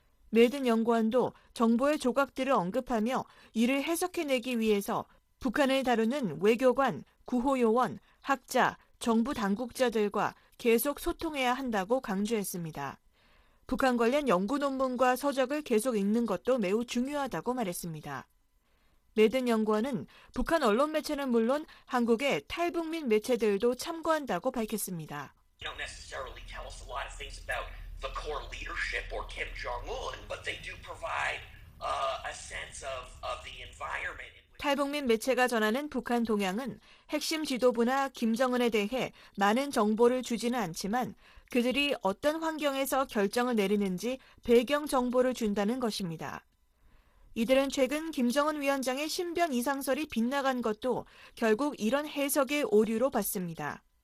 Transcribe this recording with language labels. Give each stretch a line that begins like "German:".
Korean: 매든 연구원도 정보의 조각들을 언급하며 이를 해석해내기 위해서 북한을 다루는 외교관, 구호요원, 학자, 정부 당국자들과 계속 소통해야 한다고 강조했습니다. 북한 관련 연구 논문과 서적을 계속 읽는 것도 매우 중요하다고 말했습니다. 매든 연구원은 북한 언론 매체는 물론 한국의 탈북민 매체들도 참고한다고 밝혔습니다.
English: They don't necessarily tell us a lot of things about the core leadership or Kim Jong-un, but they do provide a sense of the environment.
Korean: 탈북민 매체가 전하는 북한 동향은 핵심 지도부나 김정은에 대해 많은 정보를 주지는 않지만 그들이 어떤 환경에서 결정을 내리는지 배경 정보를 준다는 것입니다. 이들은 최근 김정은 위원장의 신변 이상설이 빗나간 것도 결국 이런 해석의 오류로 봤습니다.